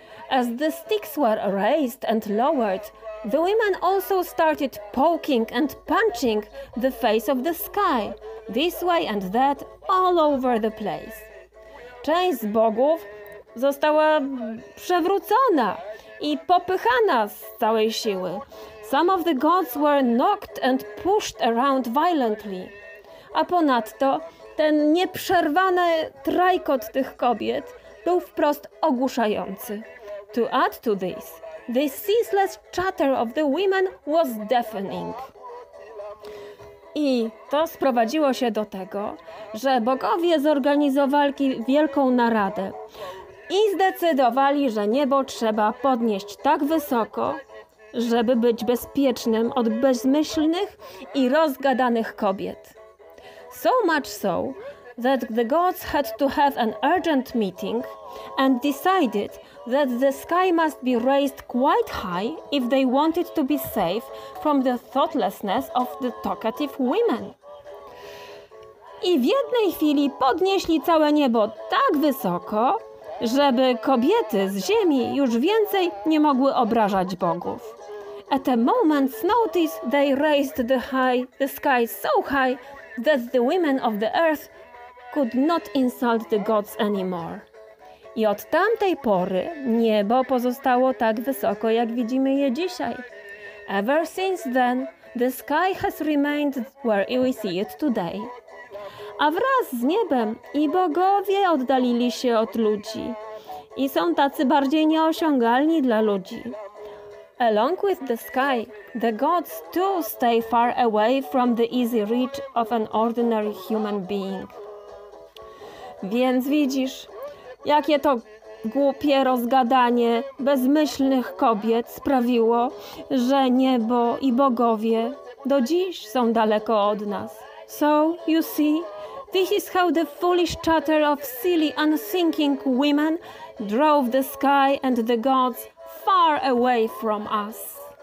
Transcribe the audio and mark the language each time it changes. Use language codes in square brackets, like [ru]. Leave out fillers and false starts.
[en] As the sticks were raised and lowered, the women also started poking and punching the face of the sky, this way and that, all over the place. [pl] Część z bogów została przewrócona i popychana z całej siły. [en] Some of the gods were knocked and pushed around violently. [pl] A ponadto ten nieprzerwany trajkot tych kobiet był wprost ogłuszający. [en] To add to this, the ceaseless chatter of the women was deafening. [pl] I to sprowadziło się do tego, że bogowie zorganizowali wielką naradę i zdecydowali, że niebo trzeba podnieść tak wysoko, żeby być bezpiecznym od bezmyślnych i rozgadanych kobiet. [en] So much so that the gods had to have an urgent meeting and decided that the sky must be raised quite high if they wanted to be safe from the thoughtlessness of the talkative women. [pl] i w jednej chwili podnieśli całe niebo tak wysoko, żeby kobiety z ziemi już więcej nie mogły obrażać bogów. [en] At the moment notice they raised the sky so high that the women of the earth could not insult the gods anymore. [pl] I od tamtej pory niebo pozostało tak wysoko, jak widzimy je dzisiaj. [en] Ever since then, the sky has remained where we see it today. [pl] A wraz z niebem i bogowie oddalili się od ludzi i są tacy bardziej nieosiągalni dla ludzi. [en] Along with the sky, the gods too stay far away from the easy reach of an ordinary human being. [pl] Więc widzisz, jakie to głupie rozgadanie bezmyślnych kobiet sprawiło, że niebo i bogowie do dziś są daleko od nas. [en] So, you see, this is how the foolish chatter of silly, unthinking women drove the sky and the gods far away from us.